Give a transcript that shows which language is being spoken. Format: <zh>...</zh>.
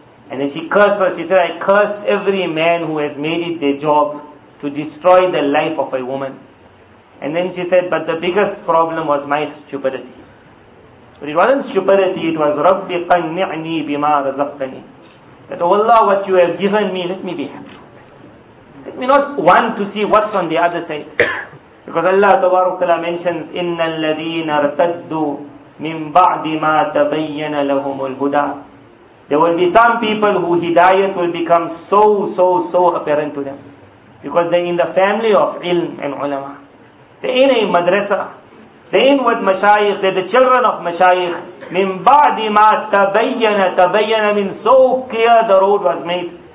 <en>And then she cursed her. She said, I curse every man who has made it their job to destroy the life of a woman. And then she said, but the biggest problem was my stupidity. But it wasn't stupidity, it was</en> <ar>Rabbi qanni'ni bima razaqtani.</ar> <en>That, oh Allah, what you have given me, let me be happy. Let me not want to see what's on the other side. Because Allah Ta'ala mentions,</en> <ar>إِنَّ الَّذِينَ ارْتَدُّوا مِن بَعْدِ مَا تَبَيَّنَ لَهُمُ الْهُدَىٰ.</ar> <en>There will be some people who hidayat will become so apparent to them. Because they're in the family of ilm and ulama. They're in a madrasa. They're in with mashayikh. They're the children of mashayikh.</en> <ar>مِن بَعْدِ مَا تَبَيَّنَ تَبَيَّنَ مِن</ar> <en>so clear the road was made.</en>